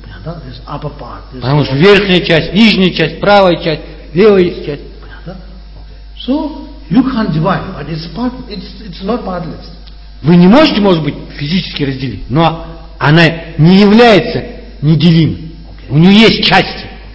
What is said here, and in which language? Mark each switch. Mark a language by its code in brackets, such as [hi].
[ru] Потому что верхняя часть, нижняя часть, правая часть, левая часть. [en] So you can't divide, but it's not partless. [ru] Вы не можете, может быть, физически разделить, но она не является неделимой. Okay. У нее есть части.